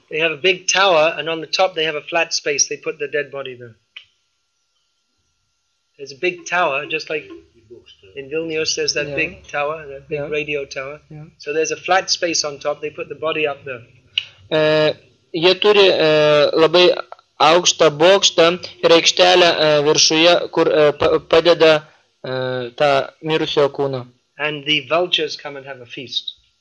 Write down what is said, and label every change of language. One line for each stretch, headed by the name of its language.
English: They have a big tower and on the top they have a flat space. They put the dead body there. There's a big tower, just like in Vilnius, there's that big tower, that big radio tower. Yeah. So there's a flat space on top, they put the body up there.
Lithuanian: Jie turi labai aukštą bokštą ir aikštelę viršuje, kur padeda tą mirusio kūną.
English: And the vultures come and have a feast.